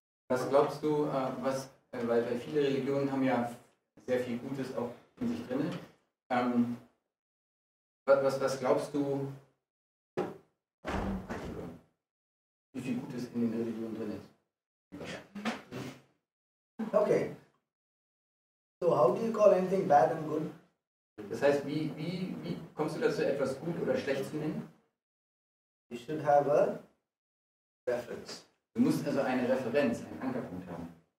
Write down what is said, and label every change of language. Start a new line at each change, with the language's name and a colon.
German: Was glaubst du, weil viele Religionen haben ja sehr viel Gutes auch in sich drin. Was glaubst du, wie viel Gutes in den Religionen drin ist? Okay.
English: So how do you call anything bad and good?
German: Das heißt, wie kommst du dazu, etwas gut oder schlecht zu nennen?
English: You should have a reference.
German: Du musst also eine Referenz, einen Ankerpunkt haben.